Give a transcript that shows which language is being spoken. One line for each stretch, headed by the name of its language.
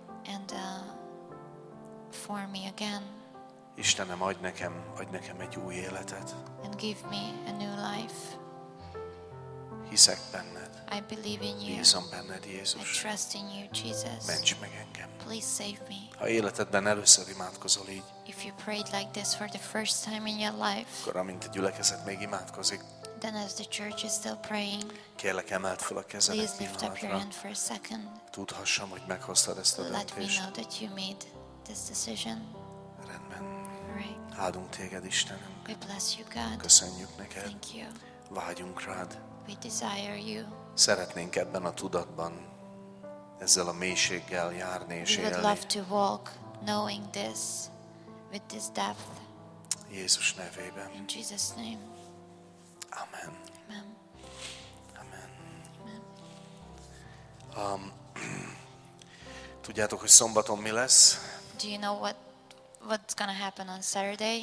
English: And form me again.
Hungarian: Istenem, adj nekem egy új életet.
English: And give me a new life.
Hungarian: Hiszek benned.
English: I believe in you.
Hungarian: Bízom benned, Jézus.
English: I trust in you, Jesus.
Hungarian: Ments meg engem.
English: Please save me.
Hungarian: Ha életedben először imádkozol így,
English: if you prayed like this for the first time in your life,
Hungarian: akkor amint a gyülekezet még imádkozik,
English: then as the church is still praying,
Hungarian: kérlek, emeld fel a kezedet,
English: please lift up your hand for a second.
Hungarian: Tudhassam, hogy meghoztad ezt a döntést.
English: Let me know that you made this decision.
Hungarian: Rendben.
English: Right.
Hungarian: Áldunk téged, Istenem.
English: We bless you, God.
Hungarian: Köszönjük neked.
English: Thank you.
Hungarian: Vágyunk rád.
English: We desire you.
Hungarian: Szeretnénk ebben a tudatban, ezzel a mélységgel járni és élni.
English: We would love to walk knowing this with this depth.
Hungarian: Jézus nevében.
English: In Jesus' name. Amen. Amen. Amen. Amen.
Hungarian: Tudjátok, hogy szombaton mi lesz?
English: Do you know what's gonna happen on Saturday?